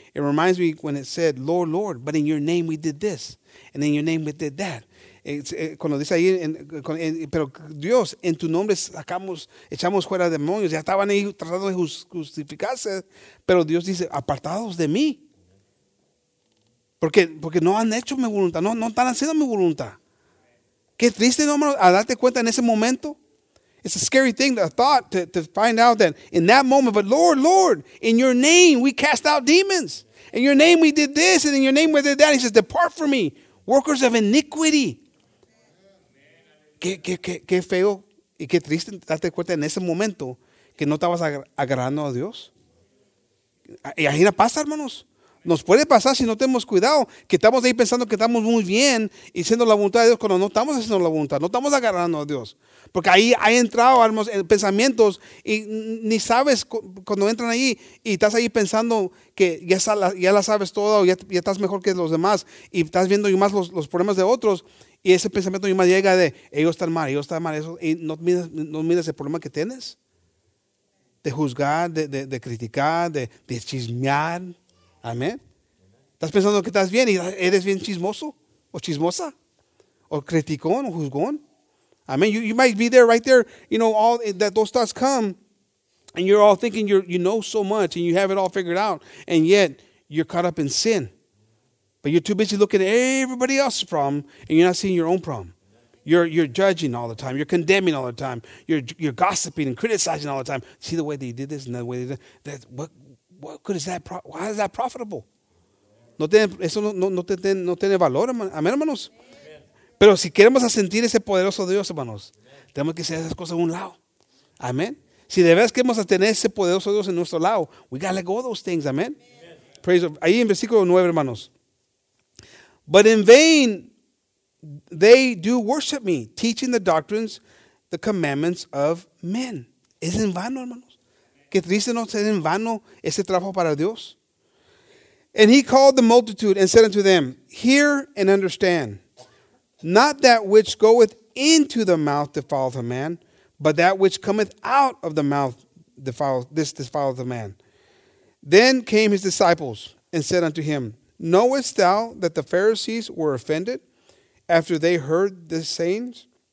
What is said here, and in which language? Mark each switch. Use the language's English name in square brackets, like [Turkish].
[English] It reminds me when it said, Lord, Lord, but in your name we did this, and in your name we did that. [Spanish] Cuando dice ahí, pero Dios, en tu nombre echamos fuera demonios. Ya estaban ahí tratando de justificarse, pero Dios dice, apartados de mí. Porque no han hecho mi voluntad, no están haciendo mi voluntad. Qué triste, hermano, a darte cuenta en ese momento. [English] It's a scary thing, the thought, to find out that in that moment, but Lord, Lord, in your name we cast out demons. In your name we did this, and in your name we did that. He says, depart from me, workers of iniquity. [Spanish] Qué feo y qué triste darte cuenta en ese momento que no estabas agradando a Dios. Y ahí no pasa, hermanos. Nos puede pasar si no tenemos cuidado, que estamos ahí pensando que estamos muy bien y haciendo la voluntad de Dios cuando no estamos haciendo la voluntad, no estamos agarrando a Dios. Porque ahí ha entrado pensamientos y ni sabes cuando entran ahí y estás ahí pensando que ya la sabes todo, ya estás mejor que los demás y estás viendo más los problemas de otros y ese pensamiento más llega de ellos están mal, eso, y no miras el problema que tienes de juzgar, de criticar, de chismear. Amén. Estás pensando que estás bien y eres bien chismoso o chismosa o criticón o juzgón. Amén. [English] You might be there right there, you know, all that those thoughts come and you're all thinking you know so much and you have it all figured out and yet you're caught up in sin. But you're too busy looking at everybody else's problem and you're not seeing your own problem. You're judging all the time. You're condemning all the time. You're gossiping and criticizing all the time. See the way they did this and the way they did that. What good is that? Why is that profitable? No tiene valor, amén, hermanos. [Spanish] Pero si queremos sentir ese poderoso Dios, hermanos, tenemos que hacer esas cosas a un lado. Amén. Si de veras que vamos a tener ese poderoso Dios en nuestro lado, [English] we got to let go of those things, amen. Praise of, [Spanish] ahí en versículo 9, hermanos. [English] But in vain they do worship me, teaching the doctrines, the commandments of men. [Spanish] Es en vano, hermanos. Qué triste no ser en vano ese trabajo para Dios. [English] And he called the multitude and said unto them, hear and understand. Not that which goeth into the mouth defileth a man, but that which cometh out of the mouth defileth a man. Then came his disciples and said unto him, knowest thou that the Pharisees were offended after they heard this sayings?